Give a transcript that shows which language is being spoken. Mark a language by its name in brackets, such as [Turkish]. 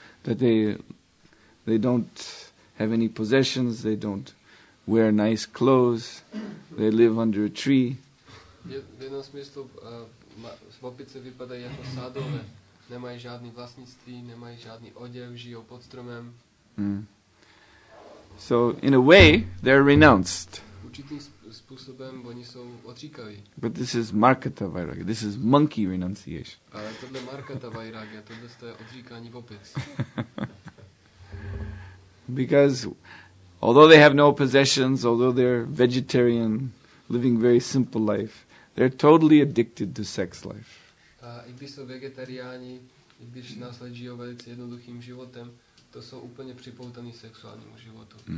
[English] That they don't have any possessions, they don't wear nice clothes, they live under a tree. [Czech] V jednom smyslu opice vypadají jako sadové, nemají žádné vlastnictví, nemají žádný oděv, žijou pod stromem. [English] So in a way they're renounced. [Czech] Určitým způsobem oni jsou odříkaví. [English] But this is Markata Vairagya, this is monkey renunciation. [Czech] Ale tohle Markata Vairagya, tohle je odříkání opic. [English] Because although they have no possessions, although they're vegetarian, living very simple life, they're totally addicted to sex life. [Czech] A i když jsou vegetariáni, i když následně žijou velice jednoduchým životem, to jsou úplně připoutaní sexuálnímu životu.